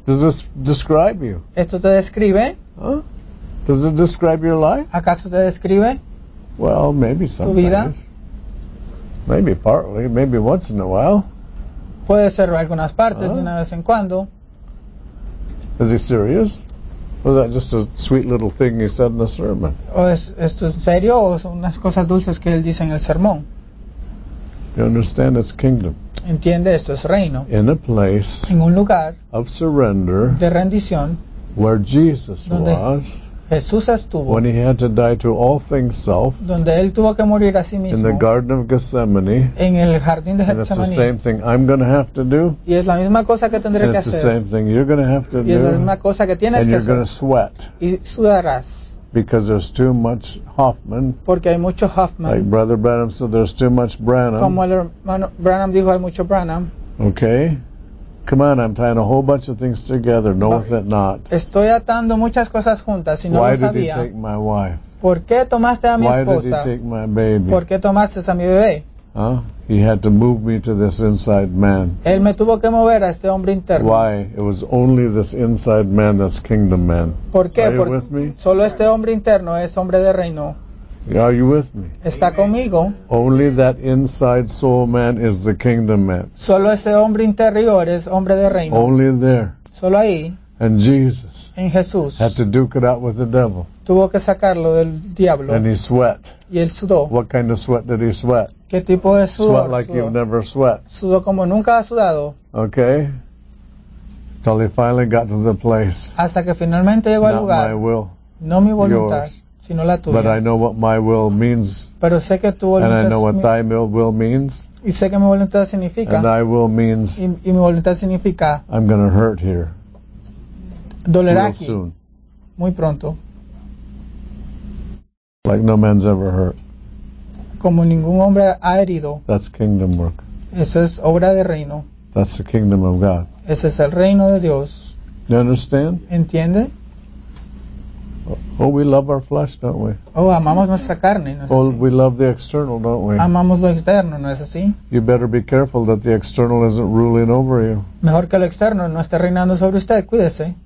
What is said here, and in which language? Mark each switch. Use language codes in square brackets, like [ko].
[en] Does this describe you? [es] ¿Esto te describe? [en] Huh? Does it describe your life? [es] ¿Acaso te describe? [en] Well, maybe sometimes. [es] ¿Tu vida? [en] Maybe partly, maybe once in a while. [es] Puede ser algunas partes de una vez en cuando. [en] Is he serious? Was that just a sweet little thing he said in the sermon? [es] ¿Esto es serio o son unas cosas dulces que él dice en el sermón? [en] You understand, it's kingdom. [es] Entiende, esto es reino. [en] In a place, [es] en un lugar, [en] of surrender, [es] de rendición, [en] where Jesus [es] donde [en] was, [es] Jesús estuvo, [en] when he had to die to all things self, [es] donde él tuvo que morir a sí mismo, [en] in the Garden of Gethsemane, [es] en el jardín de Getsemaní, [en] and it's the same thing I'm going to have to do, [es] y es la misma cosa que tendré [en] and [es] que [en] it's [es] hacer, [en] the same thing you're going to have to [es] y [en] do, [es] es la misma cosa que tienes [en] and [es] que [en] you're going to sweat, [es] y sudarás. [en] Because there's too much Hoffman. [es] Porque hay mucho Hoffman. [en] Like Brother Branham said, there's too much Branham. [es] Como el hermano Branham dijo, hay mucho Branham. [en] Okay. Come on, I'm tying a whole bunch of things together. Knoweth it not. [es] Estoy atando muchas cosas juntas y no [en] Why [es] lo sabía. [en] Why did he take my wife? [es] ¿Por qué tomaste a mi [en] Why [es] esposa? [en] Why did he take my baby? [es] ¿Por qué tomaste a mi bebé? Huh? [en] He had to move me to this inside man. [es] Él me tuvo que mover a este hombre interno. [en] Why? It was only this inside man that's kingdom man. [es] ¿Por qué? [en] Are you with me? [es] Solo este hombre interno es hombre de reino. [en] Are you with me? [es] Está conmigo. [en] Only that inside soul man is the kingdom man. [es] Solo este hombre interior es hombre de reino. [en] Only there. [es] Solo ahí. [en] And Jesus. [es] En Jesús. [en] Had to duke it out with the devil. [es] Tuvo que sacarlo del diablo. [en] And he sweat. [es] Y él sudó. [en] What kind of sweat did he sweat? [es] ¿Qué tipo de sudor? [en] Sweat like you've never sweat. [es] Sudó como nunca ha sudado. [en] Okay. Till he finally got to the place. [es] Hasta que finalmente llegó al lugar. [en] Not my will. [es] No mi voluntad, [en] yours. [es] Sino la tuya. [en] But I know what my will means. [es] Pero sé que tu voluntad. [en] And I know what thy will means. [es] Y sé que mi voluntad significa. [en] And thy will means. [es] Y mi voluntad significa. [en] I'm going to hurt here. [es] Dolerá [en] real [es] aquí. [en] Soon. [es] Muy pronto. [en] Like no man's ever hurt. [es] Como ningún hombre ha herido. [en] That's kingdom work. [es] Esa es obra de reino. [en] That's the kingdom of God. [es] Ese es el reino de Dios. [en] You understand? [es] ¿Entiende? [en] Oh, we love our flesh, don't we? [es] Oh, amamos nuestra carne, ¿no es así? [en] Oh, we love the external, don't we? [es] Amamos lo externo, ¿no es así? [en] You better be careful that the external isn't ruling over you. [es] Mejor que el externo no esté reinando sobre usted, cuídese.